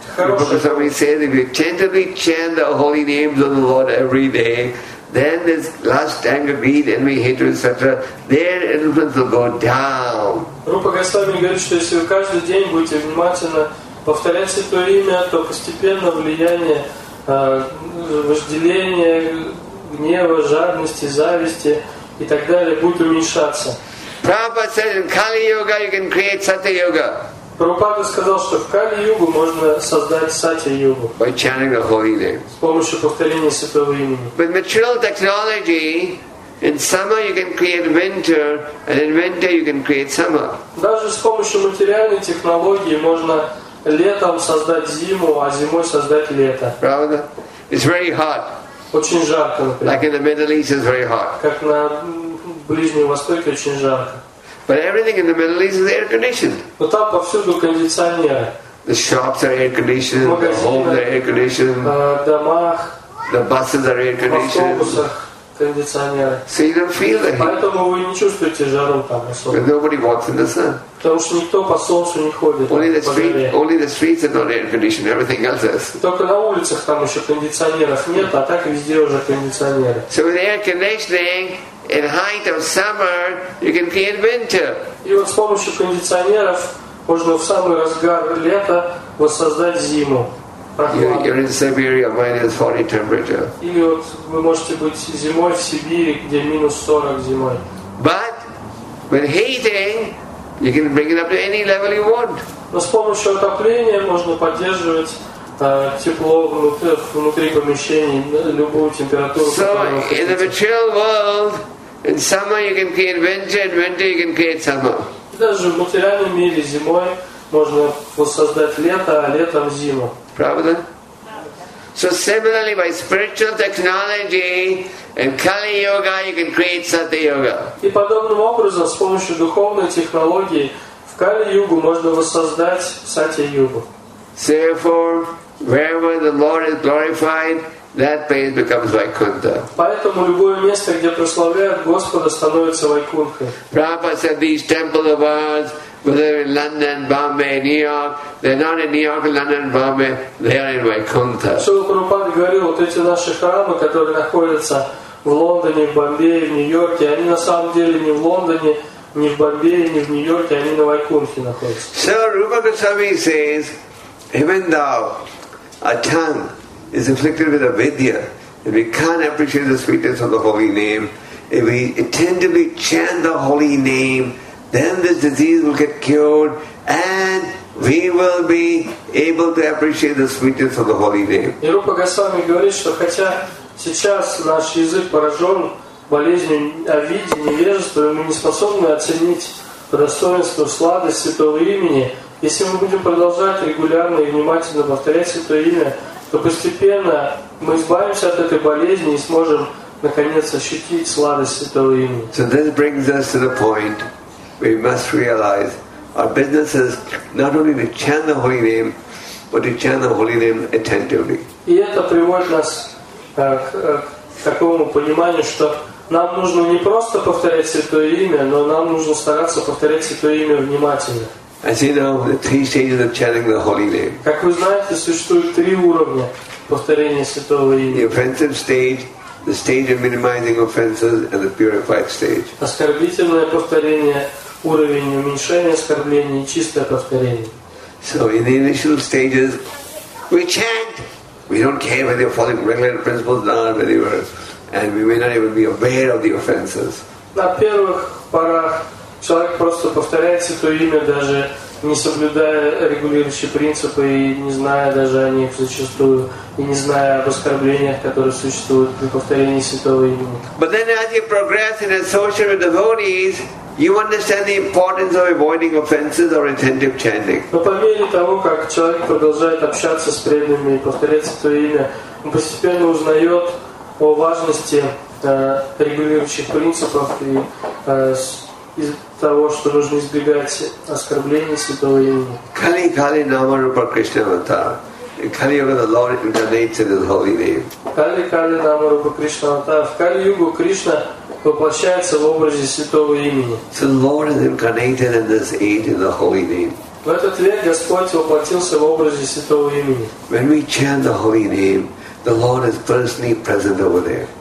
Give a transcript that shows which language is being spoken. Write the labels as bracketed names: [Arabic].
[English] Because somebody says if you tenderly chant the holy names of the Lord every day, then this lust, anger, greed, envy, hatred, etc., their influence will go down. [Russian] Rupa Goswami говорит, что если вы каждый день будете внимательно повторять Святое Имя, то постепенно влияние вожделения, гнева, жадности, зависти и так далее будет уменьшаться. [English] Prabhupada said in Kali Yuga you can create Satya Yuga. [Russian] Прабхупада сказал, что в Кали-югу можно создать Сатья-югу. [English] By chanting the holy names. [Russian] С помощью повторения Святого Имени. [English] With material technology, in summer you can create winter, and in winter you can create summer. [Russian] Даже с помощью материальной технологии можно летом создать зиму, а зимой создать лето. Правда? [English] It's very hot. [Russian] Очень жарко, например. [English] Like in the Middle East, it's very hot. [Russian] Как на Ближнем Востоке очень жарко. [English] But everything in the Middle East is air-conditioned. [Russian] Вот там повсюду кондиционеры. [English] The shops are air-conditioned. The homes are air-conditioned. [Russian] Домах. [English] The buses are air-conditioned. [Russian] Автобусах кондиционеры. [English] So you don't feel the heat. [Russian] Поэтому вы не чувствуете жару там особо. [English] Nobody walks in the sun. [Russian] Потому что никто по солнцу не ходит. [English] Only the streets are not air-conditioned. Everything else is. [Russian] Только на улицах там еще кондиционеров нет, а так везде уже кондиционеры. [English] So with air-conditioning. In height of summer, you can create winter. [Russian] И вот с помощью кондиционеров можно в самый разгар лета воссоздать зиму. [English] You're in Siberia, minus 40 temperature. [Russian] Или вот вы можете быть зимой в Сибири, где минус 40 зимой. [English] But when heating, you can bring it up to any level you want. [Russian] Но с помощью отопления можно поддерживать тепло внутри помещений, любую температуру. [English] So in the material world. In summer you can create winter, and winter you can create summer. [Russian] Даже в материальном мире зимой можно воссоздать лето, а летом зиму. Правда? [English] So similarly, by spiritual technology and Kali Yoga, you can create Satya Yoga. [Russian] И подобным образом, с помощью духовной технологии, в Кали Югу можно воссоздать Сатья Югу. [English] Therefore, wherever the Lord is glorified, that place becomes Vaikuntha. [Russian] Поэтому любое место, где прославляют Господа, становится Вайкунтхой. [English] Prabhupada said these temples of ours, whether in London, Bombay, New York, they're not in New York, London, Bombay, they are in Vaikuntha. [Russian] Шрила Прабхупада говорил, вот эти наши храмы, которые находятся в Лондоне, в Бомбее, в Нью-Йорке, они на самом деле не в Лондоне, не в Бомбее, не в Нью-Йорке, они на Вайкунтхе находятся. [English] So Rupa Goswami says, even though a tongue is afflicted with avidya, and we can't appreciate the sweetness of the holy name, if we attentively chant the holy name, then this disease will get cured, and we will be able to appreciate the sweetness of the holy name. [Russian] И Рупа Госвами говорит, что хотя сейчас наш язык поражен болезнью авидьи, невежеством, мы не способны оценить достоинство, сладость Святого Имени, если мы будем продолжать регулярно и внимательно повторять Святое Имя, то постепенно мы избавимся от этой болезни и сможем наконец ощутить сладость Святого Имени. [English] So this brings us to the point where we must realize our business is not only to chant the holy name, but to chant the holy name attentively. [Russian] И это приводит нас к такому пониманию, что нам нужно не просто повторять Святое Имя, но нам нужно стараться повторять Святое Имя внимательно. [English] As you know, the three stages of chanting the holy name. [Russian] Как вы знаете, существует три уровня повторения Святого Имени. [English] The offensive stage, the stage of minimizing offenses, and the purified stage. [Russian] Оскорбительное повторение, уровень уменьшения оскорблений, чистое повторение. [English] So in the initial stages, we chant. We don't care whether you're following regulated principles or not, whether you're, and we may not even be aware of the offenses. [Russian] На первых порах человек просто повторяет Святое Имя, даже не соблюдая регулирующие принципы и не зная даже о них зачастую, и не зная об оскорблениях, которые существуют при повторении Святого Имени. But then as you progress and associate with devotees, you understand the importance of avoiding offenses or attentive chanting. Но по мере того, как человек продолжает общаться с преданными и повторяет Святое Имя, он постепенно узнает о важности регулирующих принципов и из того, что нужно избегать оскорблений святого имени. [Sanskrit] Kali Kali Nama Rupa Krishna Avatar. [English] Kali Yuga, the Lord incarnates in His holy name. [Sanskrit] Kali Kali Nama Rupa Krishna Avatar. [Russian] В Kali Yuga Krishna воплощается в образе святого имени. [English] So the Lord is incarnated in this age in the holy name. [Russian] В этот век Господь воплотился в образе святого имени. [English] When we chant the holy name, the Lord is personally present over there.